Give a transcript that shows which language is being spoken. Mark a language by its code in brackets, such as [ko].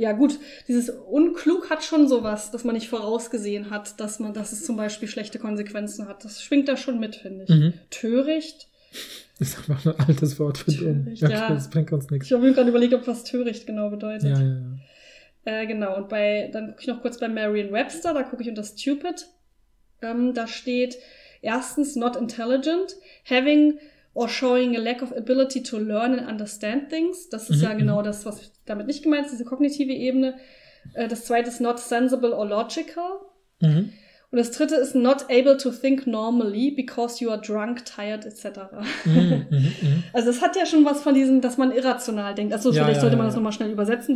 [de] Ja gut, dieses unklug hat schon sowas, dass man nicht vorausgesehen hat, dass es zum Beispiel schlechte Konsequenzen hat. Das schwingt da schon mit, finde ich. Mhm. Töricht. Das ist einfach ein altes Wort für dumm. Ja, ja. Das bringt uns nichts. Ich habe mir gerade überlegt, ob was töricht genau bedeutet. Ja. Genau, und dann gucke ich noch kurz bei Merriam-Webster, da gucke ich unter Stupid. Da steht erstens [en] not intelligent, having or showing a lack of ability to learn and understand things. [de] Das ist ja genau das, was damit nicht gemeint ist, diese kognitive Ebene. Das zweite ist [en] not sensible or logical. Mhm. [de] Und das dritte ist [en] not able to think normally because you are drunk, tired, etc. [de] Also es hat ja schon was von diesem, dass man irrational denkt. Also vielleicht sollte man das nochmal schnell übersetzen.